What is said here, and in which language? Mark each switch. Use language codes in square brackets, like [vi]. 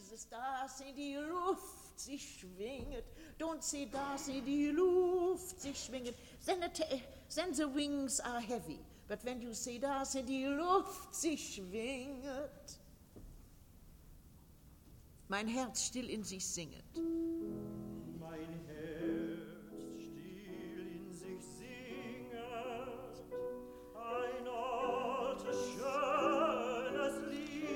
[de] Das in die Luft sich schwinget. [en] Don't say [de] das in die Luft sich schwinget. [en] Then the wings are heavy. But when you say [de] das in die Luft sich schwinget, mein Herz still in sich singet. Mein Herz still in sich singet. Ein altes schönes Lied.